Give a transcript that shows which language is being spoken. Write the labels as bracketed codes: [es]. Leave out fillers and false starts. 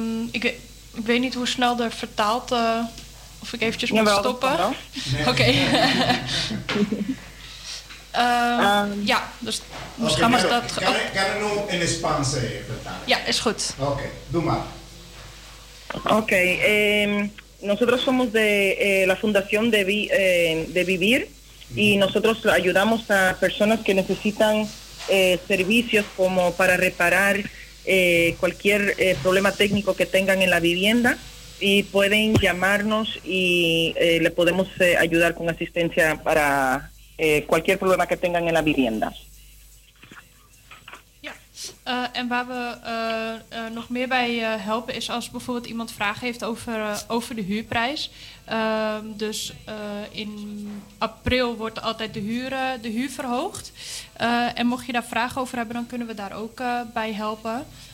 [nl] Ik weet niet hoe snel er vertaald... of ik eventjes moet stoppen. Oké. Ja, dus... Misschien maar dat... Kan ik nog in het Spaans vertalen? Ja, is goed. Oké, doe maar. Oké. [es] Nosotros somos de la Fundación de Vivir. Y nosotros ayudamos a personas que necesitan servicios como para reparar cualquier problema técnico que tengan en la vivienda. y pueden llamarnos y le podemos ayudar con asistencia para cualquier problema que tengan en la vivienda. [nl] En waar we nog meer bij helpen is als bijvoorbeeld iemand vragen heeft over, over de huurprijs. Dus in april wordt altijd de huur verhoogd. En mocht je daar vragen over hebben, dan kunnen we daar ook bij helpen.